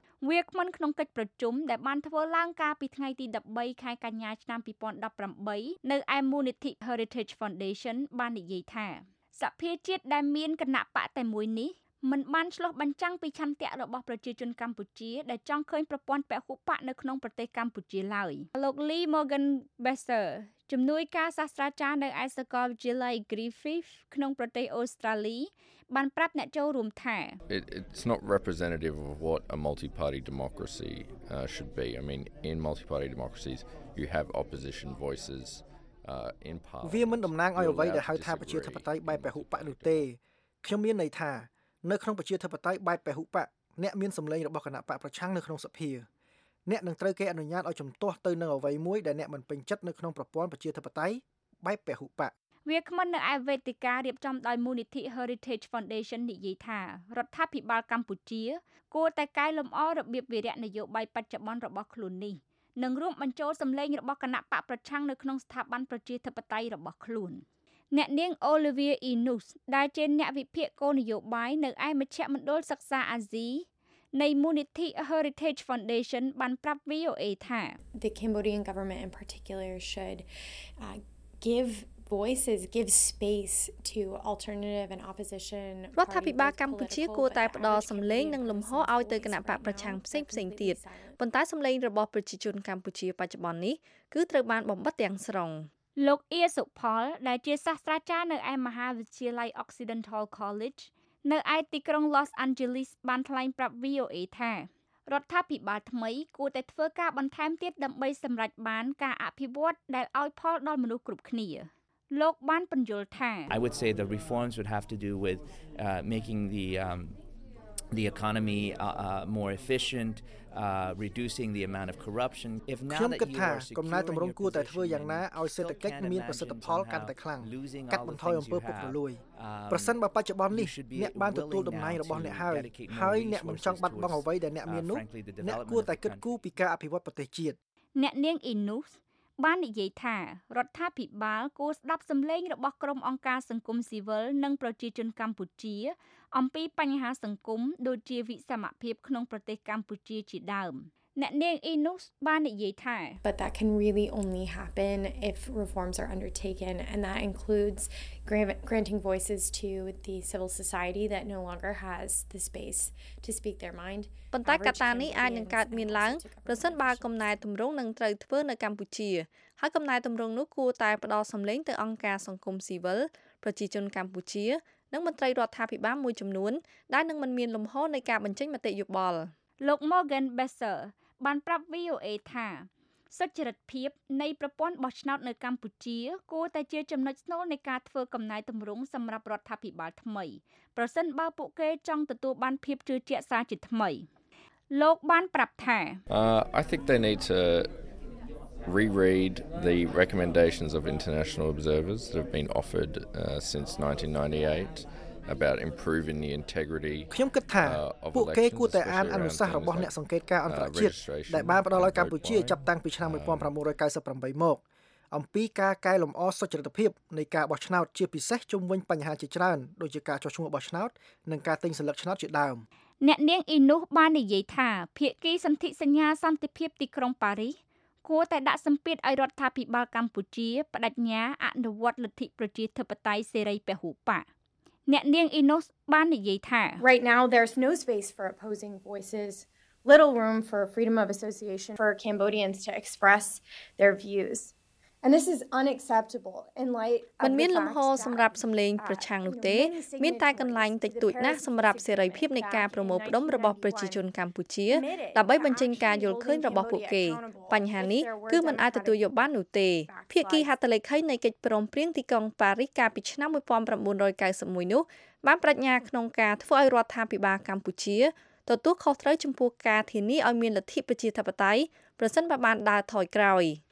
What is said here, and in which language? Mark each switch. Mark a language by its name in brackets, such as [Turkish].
[Khmer] វាគ្មិនក្នុងកិច្ចប្រជុំដែលបានធ្វើឡើងកាលពីថ្ងៃទី13ខែកញ្ញាឆ្នាំ2018នៅឯមូលនិធិ Heritage Foundation បាននិយាយថាសភាជាតិដែលមានគណៈបកតែមួយនេះមិនបានឆ្លោះបញ្ចាំងពីឆន្ទៈរបស់ប្រជាជនកម្ពុជាដែលចង់ឃើញប្រព័ន្ធពហុបកនៅក្នុងប្រទេសកម្ពុជាឡើយលោក Lee Morgan Besser ជំនួយការសាស្ត្រាចារ្យនៅឯសាកលវិទ្យាល័យ Griffith ក្នុងប្រទេសអូស្ត្រាលីបានប្រាប់អ្នកចូលរួមថា [English] It's not representative of what a multi-party democracy should be. I mean in multi-party democracies you have opposition voices in part [Khmer] វាមិនតំណាងឲ្យអ្វីដែលហៅថាប្រជាធិបតេយ្យបែបពហុបកនោះទេខ្ញុំមានន័យថានៅក្នុងប្រជាធិបតេយ្យបែបពហុបកអ្នកមានសំឡេងរបស់គណៈបកប្រឆាំងនៅក្នុងសភាអ្នកនឹងត្រូវគេអនុញ្ញាតឲ្យជំទាស់ទៅនឹងអ្វីមួយដែលអ្នកមិនពេញចិត្តនៅក្នុងប្រព័ន្ធប្រជាធិបតេយ្យបែបពហុបក វាគ្មិននៅឯវេទិការៀបចំដោយមូលនិធិ Heritage Foundation និយាយថារដ្ឋាភិបាលកម្ពុជាគួរតែកែលម្អរបៀបវារៈនយោបាយបច្ចុប្បន្នរបស់ខ្លួននេះនិងរួមបញ្ចូលសំឡេងរបស់គណៈបកប្រឆាំងនៅក្នុងស្ថាប័នប្រជាធិបតេយ្យរបស់ខ្លួនអ្នកនាង Olivia Inus ដែលជាអ្នកវិភាគគោលនយោបាយនៅឯមជ្ឈមណ្ឌលសិក្សាអាស៊ីនៃមូលនិធិ Heritage Foundation បានប្រាប់ VOA ថា [English] The Cambodian government in particular should give voices, give space to alternative and opposition [Khmer] រដ្ឋាភិបាលកម្ពុជាគួរតែផ្ដល់សំឡេងនិងលំហឲ្យទៅគណៈបកប្រឆាំងផ្សេងៗទៀតប៉ុន្តែសំឡេងរបស់ប្រជាជនកម្ពុជាបច្ចុប្បន្ននេះគឺត្រូវបានបំបាត់ទាំងស្រុង លោកអៀសុផលដែលជាសាស្ត្រាចារ្យនៅឯមហាវិទ្យាល័យ Occidental College នៅឯទីក្រុង Los Angeles បានថ្លែងប្រាប់ VOA ថារដ្ឋាភិបាលថ្មីគួរតែធ្វើការបន្ថែមទៀតដើម្បីសម្រេចបានការអភិវឌ្ឍដែលឲ្យផលដល់មនុស្សគ្រប់គ្នាលោកបានបញ្យល់ថា [English] I would say the reforms would have to do with making the economy more efficient reducing the amount of corruption if now that you are secure [Khmer] កំណែតម្រង់គួរតែធ្វើយ៉ាងណាឲ្យសេដ្ឋកិច្ចមានប្រសិទ្ធផលកាន់តែខ្លាំងកាត់បន្ថយអំពើពុករលួយប្រសិនបើបច្ចុប្បន្ននេះអ្នកបានទទួលដំណែងរបស់អ្នកហើយហើយអ្នកមិនចង់បាត់បង់អ្វីដែលអ្នកមាននោះអ្នកគួរតែគិតគូរពីការអភិវឌ្ឍប្រទេសជាតិ អ្នកនាងអ៊ីនូសបាននិយាយថារដ្ឋាភិបាលគួរស្ដាប់សំឡេងរបស់ក្រុមអង្គការសង្គមស៊ីវិលនិងប្រជាជនកម្ពុជាអំពីបញ្ហាសង្គមដូចជាវិសមភាពក្នុងប្រទេសកម្ពុជាជាដើមអ្នកនាងអ៊ីនូសបាននិយាយថា [English] But that can really only happen if reforms are undertaken and that includes granting voices to the civil society that no longer has the space to speak their mind [Khmer] ប៉ុន្តែកត្តានេះអាចនឹងកើតមានឡើងប្រសិនបើគំណែតម្រង់នឹងត្រូវធ្វើនៅកម្ពុជាហើយគំណែតម្រង់នោះគួរតែផ្ដល់សំឡេងទៅអង្គការសង្គមស៊ីវិលប្រជាជនកម្ពុជានិងមន្ត្រីរដ្ឋាភិបាលមួយចំនួនដែលនឹងមិនមានលំហនៃការបញ្ចេញមតិយោបល់លោក Morgan Besser បានប្រាប់ VOA ថាសុចរិតភាពនៃប្រព័ន្ធបោះឆ្នោតនៅកម្ពុជាគួរតែជាចំណុចស្នូលនៃការធ្វើកំណែតម្រង់សម្រាប់រដ្ឋាភិបាលថ្មីប្រសិនបើពួកគេចង់ទទួលបានភាពជឿជាក់សារជាថ្មីលោកបានប្រាប់ថា [English] I think they need to reread the recommendations of international observers that have been offered since 1998 about improving the integrity [Khmer] ខ្ញុំគិតថាពួកគេគួរតែអានអនុសាសន៍របស់អ្នកសង្កេតការអន្តរជាតិដែលបានផ្ដល់ឲ្យកម្ពុជាចាប់តាំងពីឆ្នាំ1998មកអំពីការកែលម្អសុចរិតភាពនៃការបោះឆ្នោតជាពិសេសជុំវិញបញ្ហាជាច្រើនដូចជាការចោះឈ្មោះបោះឆ្នោតនិងការទិញសិលឹកឆ្នោតជាដើម អ្នកនាងអ៊ីនូសបាននិយាយថាភាគីសន្ធិសញ្ញាសន្តិភាពទីក្រុងប៉ារីស គួរតែដាក់សម្ពាធឲ្យរដ្ឋាភិបាលកម្ពុជាបដិញ្ញាអនុវត្តលទ្ធិប្រជាធិបតេយ្យសេរីពហុបកអ្នកនាងអ៊ីណូសបាននិយាយថា [English] Right now there's no space for opposing voices. Little room for freedom of association for Cambodians to express their views. And this is unacceptable in light of [Khmer] មានលំហសម្រាប់សំឡេងប្រឆាំងនោះទេមានតែកន្លែងតិចតួចណាស់សម្រាប់សេរីភាពនៃការប្រមូលផ្តុំរបស់ប្រជាជនកម្ពុជាដើម្បីបញ្ចេញការយល់ឃើញរបស់ពួកគេបញ្ហានេះគឺមិនអាចទទួលយកបាននោះទេភាគីហត្ថលេខីនៃកិច្ចព្រមព្រៀងទីក្រុងប៉ារីសកាលពីឆ្នាំ1991នោះបានប្រាជ្ញាក្នុងការធ្វើឲ្យរដ្ឋាភិបាលកម្ពុជាទទួលខុសត្រូវចំពោះការធានាឲ្យមានលទ្ធិប្រជាធិបតេយ្យប្រសិនបើបានដើរថយក្រោយ